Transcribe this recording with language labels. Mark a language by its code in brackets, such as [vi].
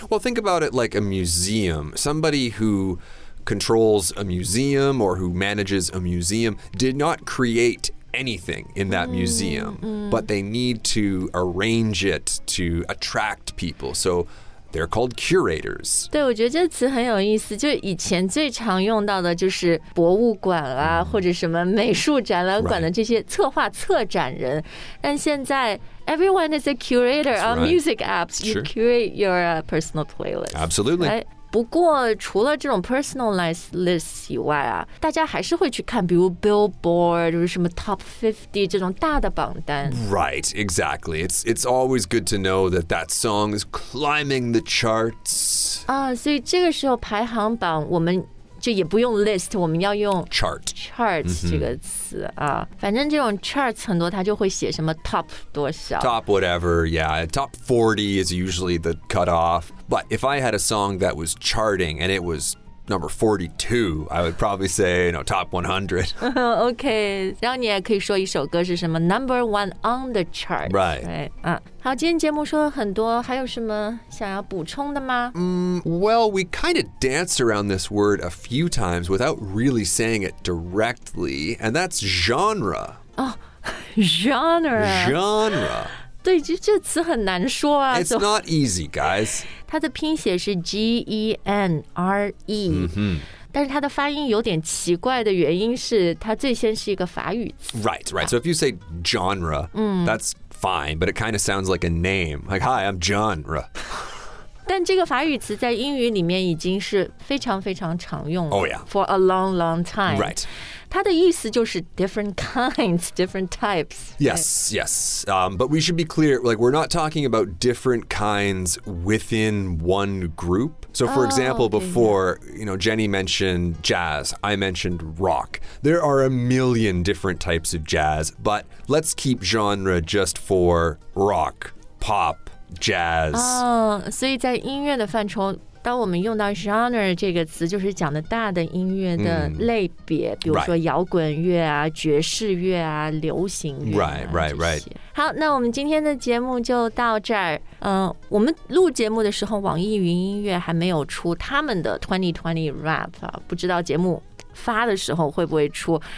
[en] well think about it like a museum somebody who controls a museum or who manages a museum did not createanything in that museum mm, mm. but they need to arrange it to attract people so they're called curators [zh] 对我觉得这词很有意思就以前最常用到的就是博物馆啊、mm. 或者什么美术展览馆的这些策划策展人、 [en] right. [zh] 但现在 [en] everyone is a curator、 right. on music apps、 sure. you curate your、personal playlist absolutely、 [zh] right? 不过除了这种 [en] personalized list [zh] 以外啊大家还是会去看比如 billboard 或者什么 top 50这种大的榜单 [en] Right, exactly It's always good to know that that song is climbing the charts [zh] 啊、所以这个时候排行榜我们就也不用 list 我们要用 [en] chart [zh] chart 这个词、mm-hmm. 啊、反正这种 charts 很多它就会写什么 top 多少 [en] top whatever yeah top 40 is usually the cutoff but if I had a song that was charting and it was number 42 I would probably say you know top 100 [zh] OK 然后你也可以说一首歌是什么 [en] number one on the chart right, [zh] right?、好今天节目说了很多还有什么想要补充的吗、 [en] Well, we kind of danced around this word a few times without really saying it directly, and that's genre. Oh, genre. Genre. [zh] 对就这词很难说啊。 [en] It's not easy, guys. [zh] 它的拼写是 G-E-N-R-E.、 Mm-hmm. 但是它的发音有点奇怪的原因是它最先是一个法语词。 [en] Right, right. So if you say genre,、that's fine, but it kind of sounds like a name. Like, hi, I'm genre. [zh] 但这个法语词在英语里面已经是非常非常常用了。 [en] Oh, yeah. For a long, long time. Right. [zh] 它的意思就是 [en] different kinds, different types. Yes,、 right? yes.、but we should be clear, like, we're not talking about different kinds within one group. So, for example, before, you know, Jenny mentioned jazz, I mentioned rock. There are a million different types of jazz, but let's keep genre just for rock, pop, jazz. [zh] 所以在音乐的范畴当我们用到 genre 这个词，就是讲的大的音乐的类别，比如说摇滚乐啊、爵士乐啊、流行乐、 [en] right. [zh] 好，那我们今天的节目就到这儿。我们录节目的时候，网易云音乐还没有出他们的2020 rap，不知道节目发的时候会不会出。